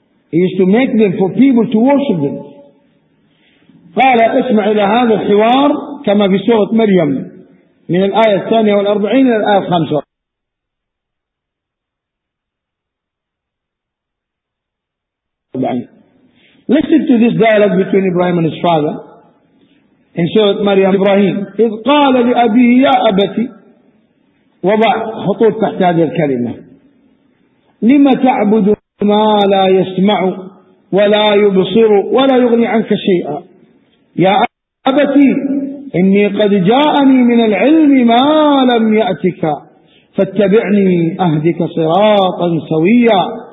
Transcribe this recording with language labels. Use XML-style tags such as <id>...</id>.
<en>He used to make them for people to worship them.</en> <ar>قال اسمع إلى هذا الحوار كما في سورة مريم من الآية 42 إلى الآية 5.</ar> <en>Listen to this dialogue between Ibrahim and his father. In Surah Maryam, Ibrahim,</en> <ar>إِذْ قَالَ لِأَبِيهِ يَا أَبَتِي وَضَعْ خُطُوط تَحْتَ هَذِي الْكَلِمَةِ لِمَ تَعْبُدُ مَا لَا يَسْمَعُ وَلَا يُبْصِرُ وَلَا يُغْنِي عَنْكَ شَيْئًا يَا أَبَتِي إِنِّي قَدْ جَاءَنِي مِنَ الْعِلْمِ مَا لَمْ يَأْتِكَ فَاتَّبِعْنِي أَهْدِكَ صِرَاطًا سَوِيًّا</ar>